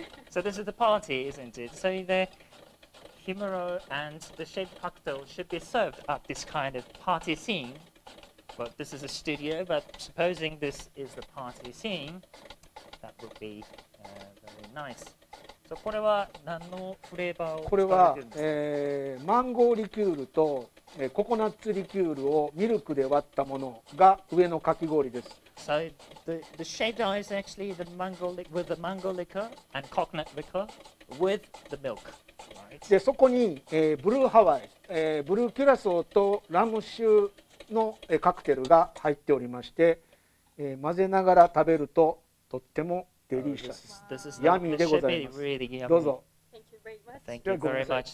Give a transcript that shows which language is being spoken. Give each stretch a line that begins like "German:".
English: So this is the party, isn't it? So the himuro and the shaped cocktail should be served at this kind of party scene. Well, this is a studio, but supposing this is the party scene, that would be very nice.
Japanese: So, これは何のフレーバーを使っているんですか？これは、マンゴーリキュールと、ココナッツリキュールをミルクで割ったものが上のかき氷です。
English: So, the shaved ice is actually the mango with the mango liquor and coconut liquor with the milk. Right.
Japanese: で、そこに、ブルーハワイ、ブルーキュラソーとラム酒のカクテルが入っておりまして、混ぜながら食べるととってもデリシャス。ヤミーでございます。
English: Really、
Japanese: どうぞ。
English: Thank you very much.